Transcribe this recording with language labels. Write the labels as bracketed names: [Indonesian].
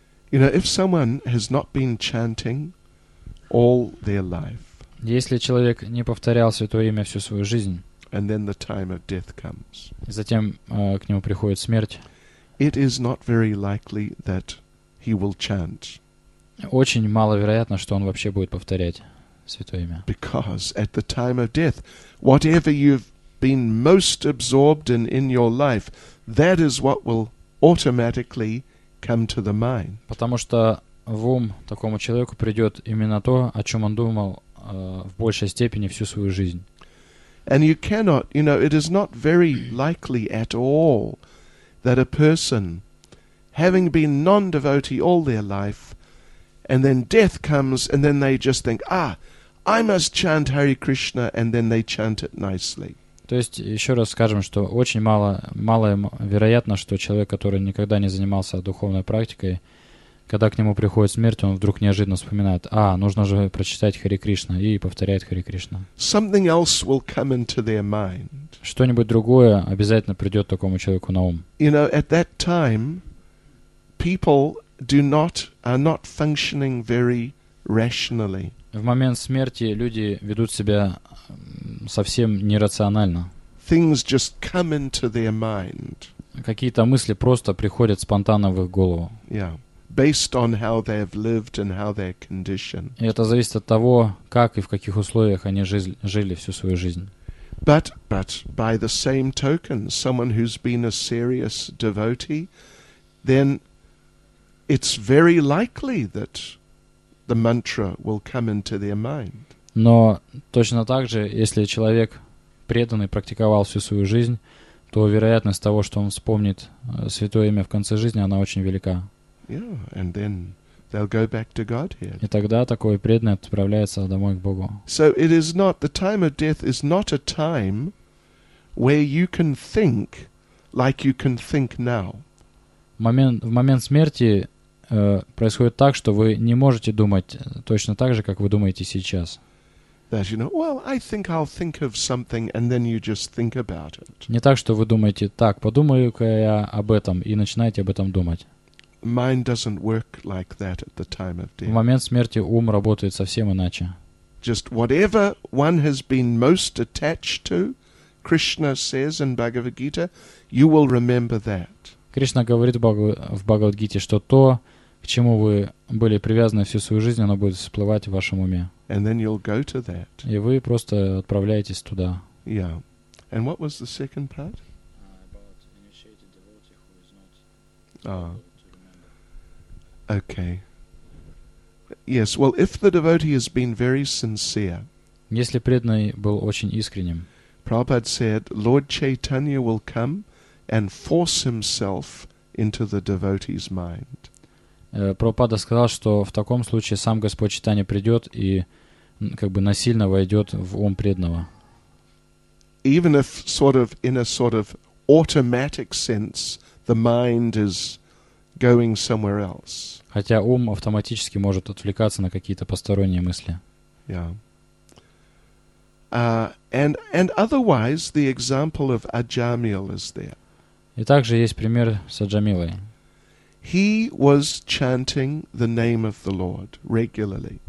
[English] You know, if someone has not been chanting all their life, [Russian] если человек не повторял святое имя всю свою жизнь, [English] and then the time of death comes, [Russian] затем к нему приходит смерть, [English] it is not very likely that he will chant. [Russian] Очень маловероятно, что он вообще будет повторять святое имя. [English] Because at the time of death, whatever you've been most absorbed in your life, that is what will automatically come to the mind. [Russian] Потому что в ум такому человеку придет именно то, о чем он думал в большей степени всю свою жизнь. [English] And you cannot, you know, it is not very likely at all that a person, having been non-devotee all their life, and then death comes, and then they just think, ah, I must chant Hare Krishna, and then they chant it nicely. [Russian] То есть, еще раз скажем, что очень мало вероятно, что человек, который никогда не занимался духовной практикой, когда к нему приходит смерть, он вдруг неожиданно вспоминает, а, нужно же прочитать Хари Кришна, и повторяет Хари Кришна. [English] Something else will come into their mind. [Russian] Что-нибудь другое обязательно придет такому человеку на ум. [English] You know, at that time, people do not, are not functioning very rationally. [Russian] В момент смерти люди ведут себя совсем нерационально. [English] Things just come into their mind. [Russian] Какие-то мысли просто приходят спонтанно в их голову. [English] Yeah. Based on how they've lived and how they're conditioned. [Russian] И это зависит от того, как и в каких условиях они жили всю свою жизнь. [English] But by the same token, someone who's been a serious devotee, then it's very likely that the mantra will come into their mind. [Russian] Но точно так же, если человек преданный практиковал всю свою жизнь, то вероятность того, что он вспомнит святое имя в конце жизни, она очень велика. [English] Yeah, and then they'll go back to Godhead. [Russian] И тогда такой преданный отправляется домой к Богу. [English] So it is not, the time of death is not a time where you can think like you can think now. [Russian] В момент смерти происходит так, что вы не можете думать точно так же, как вы думаете сейчас. [English] That, you know, well, I think I'll think of something, and then you just think about it. [Russian] Не так, что вы думаете, так, подумаю-ка я об этом, и начинаете об этом думать. [English] Mind doesn't work like that at the time of death. [Russian] В момент смерти ум работает совсем иначе. [English] Just whatever one has been most attached to, Krishna says in Bhagavad Gita, you will remember that. [Russian] Кришна говорит в Бхагавад-гите, что то, к чему вы были привязаны всю свою жизнь, оно будет всплывать в вашем уме. [English] And then you'll go to that. [Russian] И вы просто отправляетесь туда. [English] Yeah. And what was the second part? About initiated devotee who is not able to remember. Yes, well, if the devotee has been very sincere, [Russian] если преданный был очень искренним, [English] Prabhupada said, Lord Chaitanya will come and force himself into the devotee's mind. [Russian] Прабхупада сказал, что в таком случае сам Господь Чайтанья придет и как бы насильно войдет в ум преданного. [English] Even if sort of in a sort of automatic sense the mind is going somewhere else. [Russian] Хотя ум автоматически может отвлекаться на какие-то посторонние мысли. [English] Yeah. And otherwise the example of Ajamil is there. [Russian] И также есть пример с Аджамилой. [English] He was chanting the name of the Lord regularly.